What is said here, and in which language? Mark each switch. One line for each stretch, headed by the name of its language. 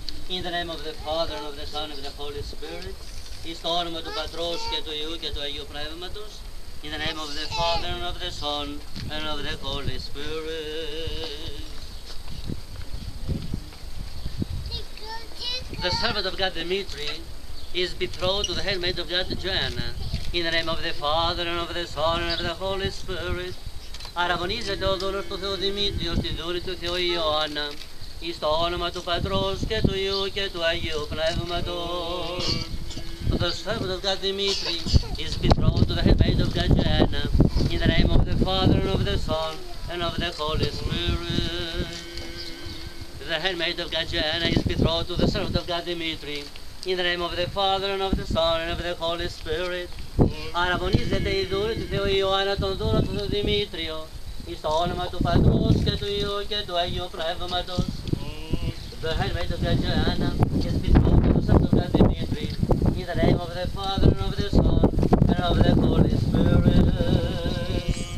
English: In the name of the Father, and of the Son, and of the Holy Spirit,
Greek: εις το όνομα του Πατρός και του Υιού και του Αγίου Πνεύματος,
English: in the name of the Father and of the Son and of the Holy Spirit. The servant of God Dimitri is betrothed to the handmaid of God Joanna. In the name of the Father and of the Son and of the Holy Spirit.
Greek: Αραγωνίζεται ο δούλος του Θεού Δημήτριος, τη δούλη του Θεού Ιωάννα, εις το όνομα του Πατρός και του Υιού και του Αγίου Πνεύματος.
English: The servant of God Dimitri is betrothed to the handmaid of God Joanna, in the name of the Father and of the Son and of the Holy Spirit. The handmaid of God Joanna is betrothed to the servant of God Dimitri, in the name of the Father and of the Son and of the Holy Spirit.
Greek: Αραγωνίζεται η δούλη του Θεού Ιωάννα τον δούλο του Δημήτριο, εις το όνομα του Πατρός και του Υιού και του Αγίου Πνεύματος.
English: The handmaid of God Joanna is betrothed to the servant of God Dimitri, in the name of the Father and of the Son and of the Holy Spirit.